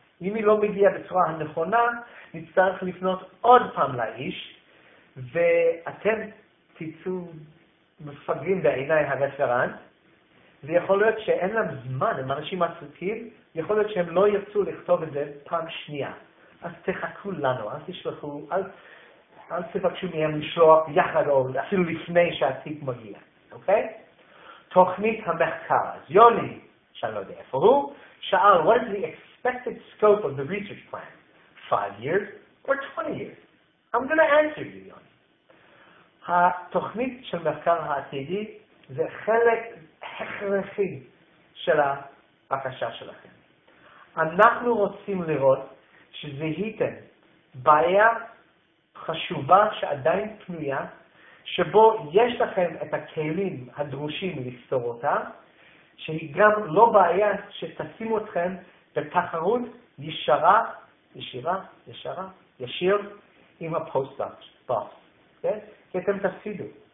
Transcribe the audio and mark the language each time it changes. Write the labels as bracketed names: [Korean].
[Hebrew] אם היא לא מגיעה בצורה הנכונה, נצטרך לפנות עוד פעם לאיש, ואתם תצאו מפגרים בעיניי הרפרנט, ויכול להיות שאין להם זמן, הם אנשים עסוקים, יכול להיות שהם לא ירצו לכתוב את זה פעם שנייה. אז תחכו לנו, אל תשלחו, אל תבקשו מהם לשלוח יחד או אפילו לפני שהתיק מגיע, אוקיי? תוכנית המחקר, אז יוני, שאני לא יודע איפה הוא, שאל, [English] what is the experience? Expected scope of the research plan, 5 years or 20 years? I'm going to answer you, Yoni. [Hebrew] התוכנית של מחקר העתידי זה חלק הכרחי של הבקשה שלכם. אנחנו רוצים לראות שזהיתם בעיה חשובה שעדיין פנויה, שבו יש לכם את הכלים הדרושים לפתור אותה, שהיא גם לא בעיה שתשים אתכם בתחרות ישרה, ישירה, ישרה, ישיר עם הפוסט-דוקס, בוס, כן? כי אתם תפסידו.